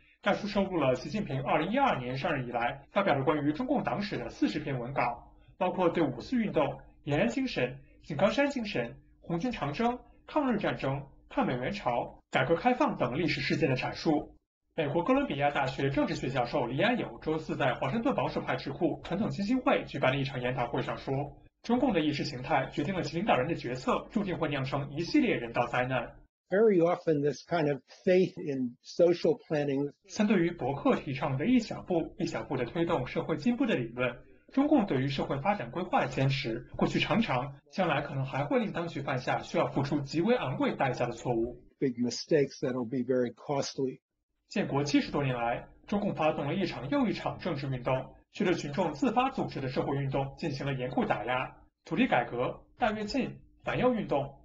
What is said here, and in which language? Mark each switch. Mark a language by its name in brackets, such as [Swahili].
[Chinese] 该书收录了习近平2012年上任以来发表的关于中共党史的40篇文稿，包括对五四运动、延安精神、井冈山精神、红军长征、抗日战争、抗美援朝、改革开放等历史事件的阐述。美国哥伦比亚大学政治学教授黎安友周四在华盛顿保守派智库传统基金会举办了一场研讨会上说，中共的意识形态决定了其领导人的决策注定会酿成一系列人道灾难。 [English] Very often, this kind of faith in social planning. [Chinese] 相对于伯克提倡的一小步一小步的推动社会进步的理论，中共对于社会发展规划的坚持，过去常常，将来可能还会令当局犯下需要付出极为昂贵代价的错误。 [English] Big mistakes that'll be very costly. [Chinese] 建国70多年来，中共发动了一场又一场政治运动，许多群众自发组织的社会运动进行了严酷打压，土地改革、大跃进、反右运动。